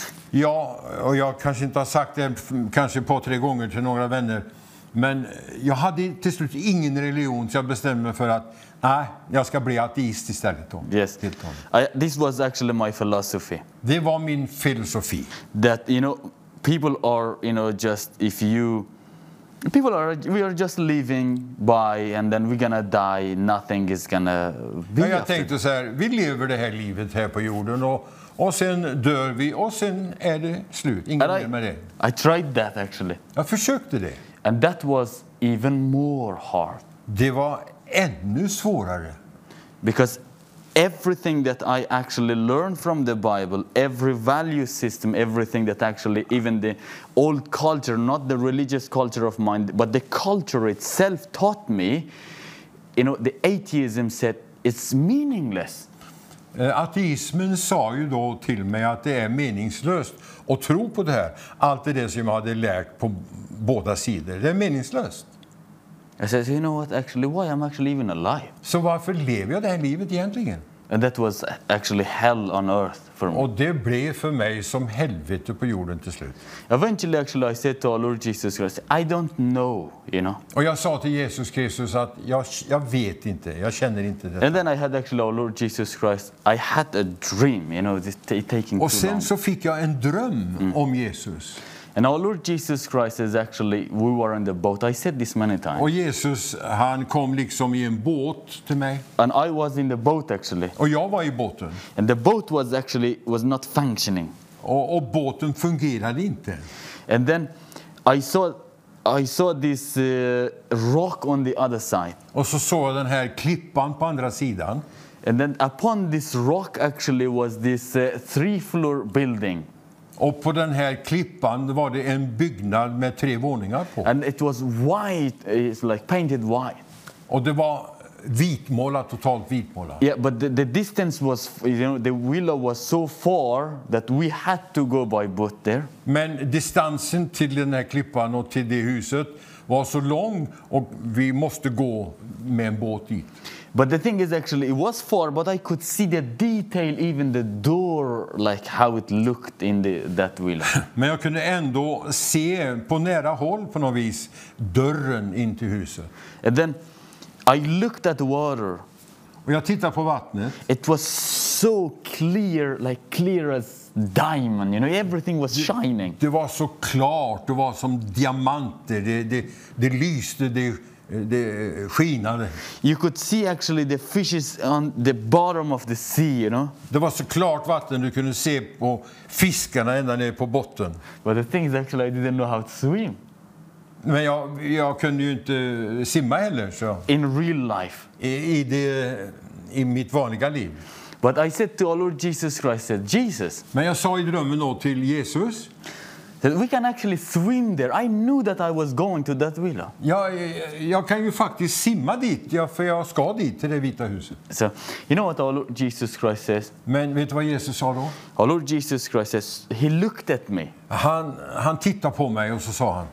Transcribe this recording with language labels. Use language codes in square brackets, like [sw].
[sv] Ja, och jag kanske inte har sagt det kanske på tre gånger till några vänner. Men jag hade till slut ingen religion, så jag bestämde mig för att nej, jag ska bli ateist istället. Då. [en] Yes. This was actually my philosophy. [sv] Det var min filosofi. [en] That, you know, people are, you know, just if you... we are just living by and then we're gonna die, nothing is gonna be. [sv] Jag tänkte så här, vi lever det här livet här på jorden och sen dör vi och sen är det slut, ingen mer med det. [en] I tried that actually. [sv] Jag försökte det. [en] And that was even more hard. [sv] Det var ännu svårare. [en] Because everything that I actually learned from the Bible, every value system, everything that actually, even the old culture, not the religious culture of mine, but the culture itself taught me, you know, the atheism said, it's meaningless. [sv] Ateismen sa ju då till mig att det är meningslöst att tro på det här. Allt det som jag hade lärt på båda sidor, det är meningslöst. [en] I said, you know what, actually, why am I actually even alive? [sv] Så varför lever jag det här livet egentligen? [en] And that was actually hell on earth for me. [sv] Och det blev för mig som helvete på jorden till slut. [en] Eventually, actually, I said to our Lord Jesus Christ, I don't know, you know. [sv] Och jag sa till Jesus Kristus att jag vet inte, jag känner inte det. [en] And then I had actually our Lord Jesus Christ, I had a dream, you know, taking [sv] Och sen så fick jag en dröm om Jesus. [en] And our Lord Jesus Christ is actually, we were on the boat. I said this many times. [sv] Och Jesus, han kom liksom I en båt till mig. [en] And I was in the boat actually. [sv] Och jag var I båten. [en] And the boat was actually, was not functioning. [sv] Och båten fungerade inte. [en] And then I saw this rock on the other side. [sv] Och så såg jag den här klippan på andra sidan. [en] And then upon this rock actually was this three-floor building. [sv] Och på den här klippan var det en byggnad med tre våningar på. [en] And it was white, it's like painted white. [sv] Och det var vitmålat, totalt vitmålat. [en] Yeah, but the distance was, you know, the villa was so far that we had to go by boat there. [sv] Men distansen till den här klippan och till det huset var så lång och vi måste gå med en båt dit. [en] But the thing is actually it was far, but I could see the detail, even the door, like how it looked in the that villa. [sv] Men jag kunde ändå se på nära håll på något vis dörren in till huset. [en] And then I looked at the water. [sv] Och jag tittade på vattnet. [en] It was so clear, like clear as diamond, you know, everything was shining. [sv] Det var så klart, det var som diamanter, det lyste, det skinade. [en] You could see actually the fishes on the bottom of the sea, you know. [sv] Det var så klart vatten du kunde se på fiskarna ända ner på botten. [en] But the thing is actually I didn't know how to swim. [sv] Men jag kunde ju inte simma heller, så. [en] In real life. [sv] I mitt vanliga liv. [en] But I said to our Lord Jesus Christ, I said, Jesus. [sv] Men jag sa i drömmen då till Jesus. [en] That we can actually swim there. I knew that I was going to that villa. [sv] Jag kan ju faktiskt simma dit, för jag ska dit till det vita huset. [en] So, you know what our Lord Jesus Christ says? [sv] Men vet du vad Jesus sa då? [en] Our Lord Jesus Christ says, he looked at me. [sv] Han tittade på mig och så sa han.